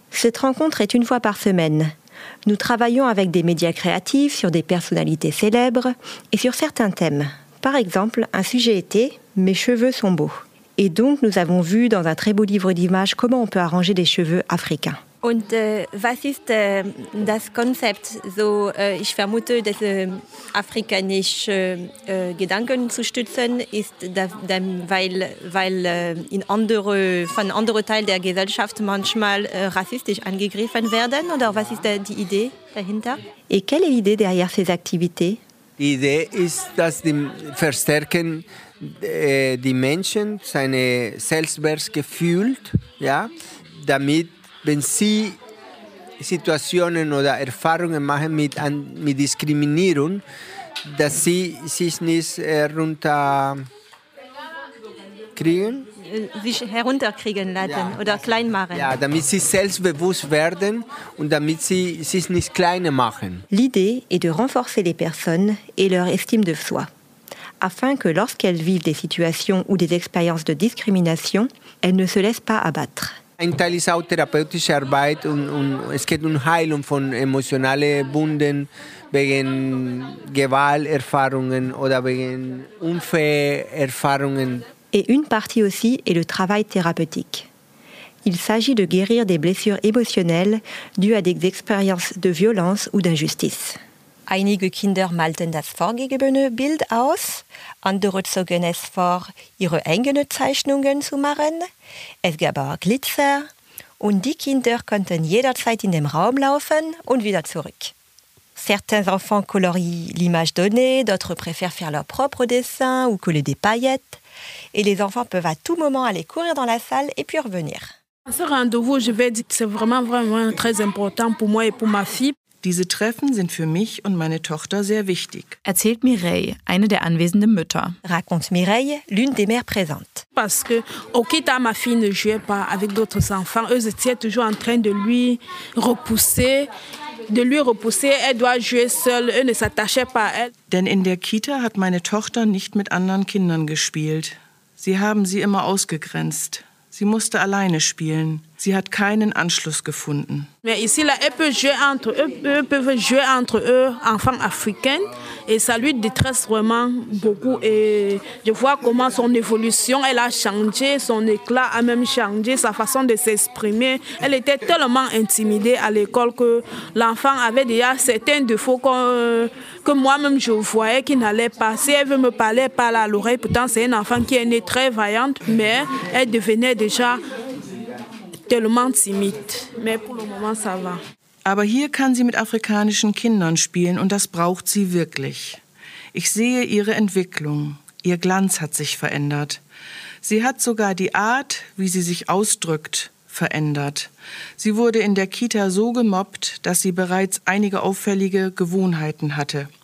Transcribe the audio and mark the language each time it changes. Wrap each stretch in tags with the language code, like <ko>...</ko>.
<fr>Cette rencontre est une fois par semaine. Nous travaillons avec des médias créatifs sur des personnalités célèbres et sur certains thèmes. Par exemple, un sujet était « Mes cheveux sont beaux ». Et donc, nous avons vu dans un très beau livre d'images comment on peut arranger des cheveux africains.</fr> <de>Und was ist das Konzept? So, ich vermute, dass afrikanische Gedanken zu stützen ist, weil in andere Teil der Gesellschaft manchmal rassistisch angegriffen werden. Oder was ist die Idee dahinter?</de> <fr>Et quelle est l'idée derrière ces activités?</fr> <de>Die Idee ist, dass die verstärken die Menschen seine Selbstwertgefühl, ja, damit wenn sie Situationen oder Erfahrungen machen mit Diskriminierung, dass sie sich nicht herunterkriegen. Sich herunterkriegen lassen, ja, oder klein machen. Ja, damit sie selbstbewusst werden und damit sie sich nicht kleiner machen.</de> <fr>L'idée est de renforcer les personnes et leur estime de soi, afin que lorsqu'elles vivent des situations ou des expériences de discrimination, elles ne se laissent pas abattre.</fr> <de>Ein Teil ist auch therapeutische Arbeit und es geht um Heilung von emotionalen Wunden wegen Gewalterfahrungen oder wegen Unfallerfahrungen.</de> <fr>Et une partie aussi est le travail thérapeutique. Il s'agit de guérir des blessures émotionnelles dues à des expériences de violence ou d'injustice.</fr> <de>Einige Kinder malten das vorgegebene Bild aus, andere zogen es vor, ihre eigenen Zeichnungen zu machen. Es gab auch Glitzer und die Kinder konnten jederzeit in dem Raum laufen und wieder zurück.</de> <fr>Certains enfants colorient l'image donnée, d'autres préfèrent faire leur propre dessin ou coller des paillettes. Et les enfants peuvent à tout moment aller courir dans la salle et puis revenir. Ce rendez-vous, je vais dire que c'est vraiment, vraiment très important pour moi et pour ma fille.</fr> <de>Diese Treffen sind für mich und meine Tochter sehr wichtig. Erzählt Mireille, eine der anwesenden Mütter.</de> <fr>Raconte Mireille, l'une des mères présentes. Parce que, quitte à ma fille ne jouait pas avec d'autres enfants, eux étaient toujours en train de lui repousser. Elle doit jouer seule, elle ne s'attachait pas à elle.</fr> <de>Denn in der Kita hat meine Tochter nicht mit anderen Kindern gespielt. Sie haben sie immer ausgegrenzt. Sie musste alleine spielen. Sie hat keinen Anschluss gefunden.</de> <fr>Mais ici là, elle peut jouer entre eux, eux peuvent jouer entre eux, enfants africains, et ça lui détresse vraiment beaucoup. Et je vois comment son évolution, elle a changé, son éclat a même changé, sa façon de s'exprimer. Elle était tellement intimidée à l'école que l'enfant avait déjà certains défauts que moi-même je voyais qui n'allaient pas. Si elle veut me parler, parle à l'oreille. Pourtant, c'est un enfant qui est né très vaillante, mais elle devenait déjà tellement timide, mais pour le moment ça va.</fr> <de>Aber hier kann sie mit afrikanischen Kindern spielen und das braucht sie wirklich. Ich sehe ihre Entwicklung. Ihr Glanz hat sich verändert. Sie hat sogar die Art, wie sie sich ausdrückt, verändert. Sie wurde in der Kita so gemobbt, dass sie bereits einige auffällige Gewohnheiten hatte.</de>